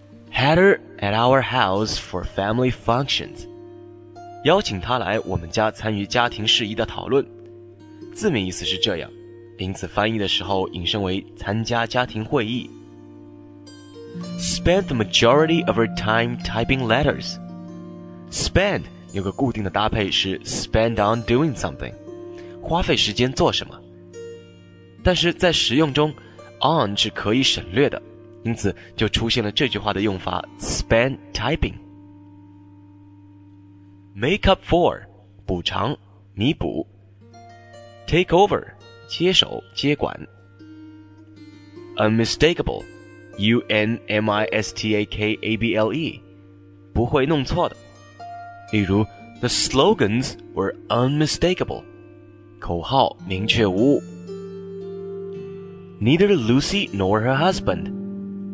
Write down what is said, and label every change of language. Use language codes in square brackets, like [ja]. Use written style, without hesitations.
[en] Had her at our house for family functions. [zh] 邀请她来我们家参与家庭事宜的讨论。字面意思是这样，因此翻译的时候引申为参加家庭会议。 [en] Spent the majority of her time typing letters. [zh] Spend 有个固定的搭配是 spend on doing something，花费时间做什么。但是在实用中 on 是可以省略的，因此就出现了这句话的用法 spend typing。 Make up for 补偿弥补。 Take over 接手接管。 [en] Unmistakable U-N-M-I-S-T-A-K-A-B-L-E 不会弄错的，例如 The slogans were unmistakable，口号明确无误。 Neither Lucy nor her husband